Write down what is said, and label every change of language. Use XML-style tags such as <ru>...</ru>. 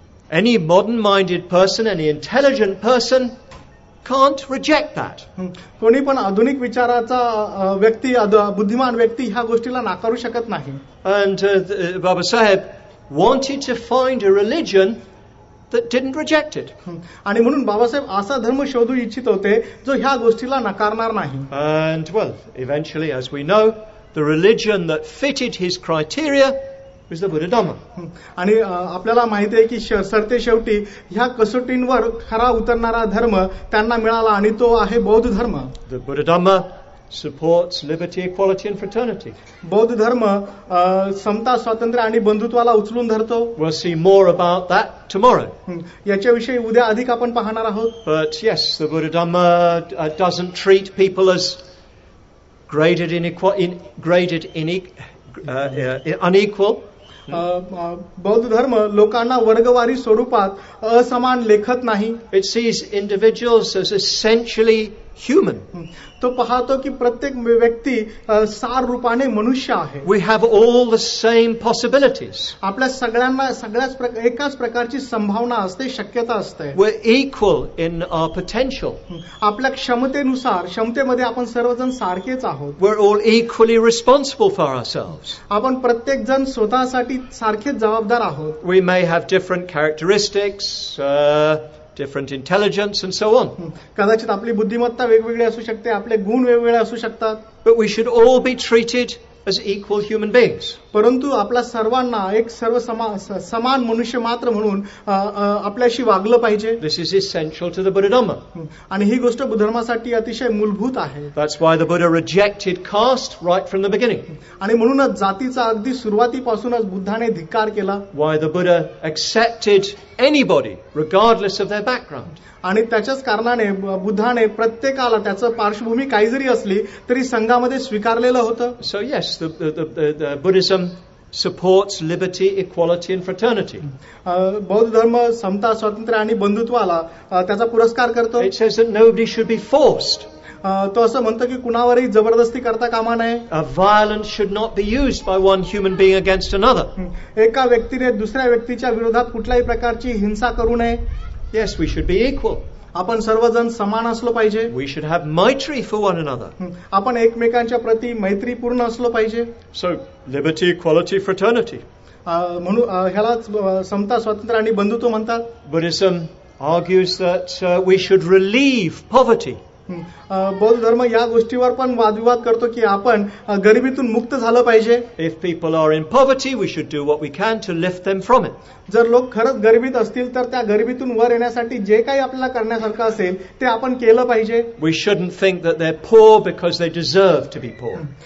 <en>Any modern-minded person, any intelligent person can't reject that.</en> <mr>कोणी पण आधुनिक विचाराचा व्यक्ती, बुद्धिमान व्यक्ती ह्या गोष्टीला नाकारू शकत नाही.</mr> <en>And Babasaheb wanted to find a religion that didn't reject it.</en> <mr>आणि म्हणून बाबासाहेब असा धर्म शोधू इच्छित होते जो ह्या गोष्टीला नकारणार नाही.</mr> <en>And well, eventually, as we know, the religion that fitted his criteria was the Buddha Dhamma.</en> <mr>आणि आपल्याला माहिती आहे की सरते शेवटी ह्या कसोटींवर खरा उतरणारा धर्म त्यांना मिळाला आणि तो आहे बौद्ध धर्म.</mr> <en>The Buddha Dhamma supports liberty, equality and fraternity.</en> <mr>बौद्ध धर्म समता, स्वातंत्र्य आणि बंधुत्वाला उचलून धरतो.</mr> <en>We'll see more about that tomorrow.</en> <mr>याच्याविषयी उद्या अधिक आपण पाहणार आहोत.</mr> <en>But yes, the Buddha Dhamma doesn't treat people as unequal.</en> <mr>बौद्ध धर्म लोकांना वर्गवारी स्वरूपात असमान लेखत नाही.</mr> <en>It sees individuals as essentially human.</en> <mr>तो पाहतो की प्रत्येक व्यक्ती सार रूपाने मनुष्य आहे.</mr> <en>We have all the same possibilities.</en> <mr>आपल्या सगळ्यांना सगळ्याच एकाच प्रकारची संभावना असते, शक्यता असते.</mr> <en>We equal in our potential.</en> <mr>आपल्या क्षमतेनुसार, क्षमतेमध्ये आपण सर्वजण सारखेच आहोत.</mr> <en>We are all equally responsible for ourselves.</en> <mr>आपण प्रत्येक जण स्वतःसाठी सारखेच जबाबदार आहोत.</mr> <en>We may have different characteristics, different intelligence and so on.</en> <mr>कदाचित आपली बुद्धिमत्ता वेगवेगळी असू शकते, आपले गुण वेगवेगळे असू शकतात.</mr> <en>But we should all be treated as equal human beings.</en> <mr>परंतु आपला सर्वांना एक सर्व समान मनुष्य मात्र म्हणून आपल्याशी वागलं पाहिजे.</mr> <en>This is essential to the Buddha Dhamma.</en> <mr>आणि ही गोष्ट बुद्धधर्मासाठी अतिशय मूलभूत आहे.</mr> <en>That's why the Buddha rejected caste right from the beginning.</en> <mr>आणि म्हणूनच जातीचा अगदी सुरुवातीपासूनच बुद्धाने धिक्कार केला.</mr> <en>Why the Buddha accepted anybody, regardless of their background.</en> <mr>आणि त्याच्याच कारणाने बुद्धाने प्रत्येकाला त्याचं पार्श्वभूमी काही जरी असली तरी संघामध्ये स्वीकारलेलं होतं.</mr> <en>So yes, the Buddhism supports liberty, equality and fraternity.</en> <mr>बौद्ध धर्म समता स्वातंत्र्य आणि बंधुत्वाला त्याचा पुरस्कार करतो.</mr> <en>It says that nobody should be forced.</en> <mr>तो असं म्हणतो की कुणावरही जबरदस्ती करता कामा नये.</mr> <en>Violence should not be used by one human being against another.</en> <mr>एका व्यक्तीने दुसऱ्या व्यक्तीच्या विरोधात कुठल्याही प्रकारची हिंसा करू नये.</mr> <en>Yes, we should be equal.</en> <mr>आपण सर्वजण समान असलो पाहिजे.</mr> <en>We should have maitri for one another.</en> <mr>आपण एकमेकांच्या प्रती मैत्रीपूर्ण असलो पाहिजे.</mr> <en>So liberty, equality, fraternity.</en> <mr>म्हणून ह्याला समता स्वातंत्र्य आणि बंधुत्व म्हणतात.</mr> <en>Buddhism argues that we should relieve poverty.</en> <mr>बौद्ध धर्म या गोष्टीवर पण वादविवाद करतो की आपण गरिबीतून मुक्त झालं पाहिजे.</mr> <en>If people are in poverty we should do what we can to lift them from it.</en> <mr>जर लोक खरंच गरिबीत असतील तर त्या गरिबीतून वर येण्यासाठी जे काही आपल्याला करण्यासारखं असेल ते आपण केलं पाहिजे.</mr> <en>We shouldn't think that they are poor because they deserve to be poor.</en>